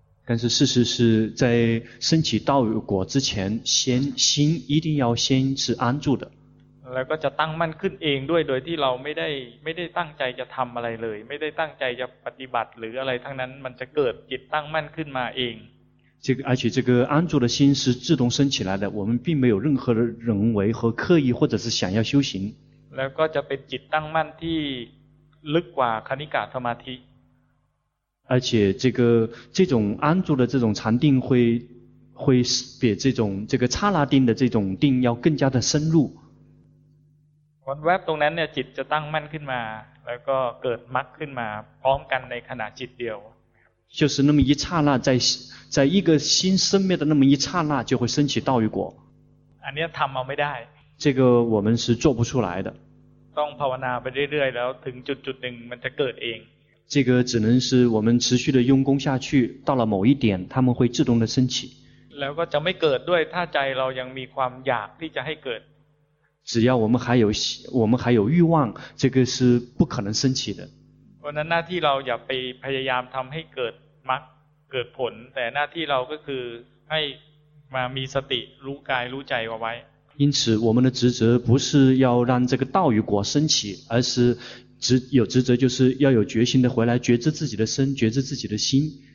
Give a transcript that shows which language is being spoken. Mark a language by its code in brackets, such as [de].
[zh] 但是事实是在升起道果之前先心一定要先是安住的 [th] แล้วก็จะตั้งมั่นขึ้นเองด้วยโดยที่เราไม่ได้ตั้งใจจะทำอะไรเลยไม่ได้ตั้งใจจะปฏิบัติหรืออะไรทั้งนั้นมันจะเกิดจิตตั้งมั่นขึ้นมาเอง [zh] 这个而且这个安住的心是自动升起来的我们并没有任何人为和刻意或者是想要修行 [th] แล้วก็จะเป็นจิตตั้งมั่นที่ลึกกว่าคณิกะสมาธิ [zh] 而且这种安住的这种禅定会比这个刹那定的这种定要更加的深入 [th] วันแวบตรงนั้นเนี่ยจิตจะตั้งมั่นขึ้นมาแล้วก็เกิดมรรคขึ้นมาพร้อมกันในขณะจิตเดียว [zh] 就是那么一刹那在一个心生灭的那么一刹那就会升起道与果 [th] อันนี้ทำเอาไม่ได้ [zh] 这个我们是做不出来的 [th] ต องภาวนาไปเรื่อยๆแล้วถึงจุดหนึ่งมันจะเกิดเอง [zh] 这个只能是我们持续的用功下去到了某一点他们会自动的升起 [th] แล้วก็จะไม่เกิดด้วยถ้าใจเรายังมีความอยากที่จะให้เกิด [zh] 只要我们还有欲望这个是不可能升起的 [th] เพราะนั้นหน้าที่เราอย่าไปพยายามทำให้เกิดมรรคเกิดผลแต่หน้าที่เราก็คือให้มามีสติรู้กายรู้ใจเอาไว้ [zh] 因此我们的职责不是要让这个道与果升起而是有职责就是要有决心的回来觉知自己的身觉知自己的心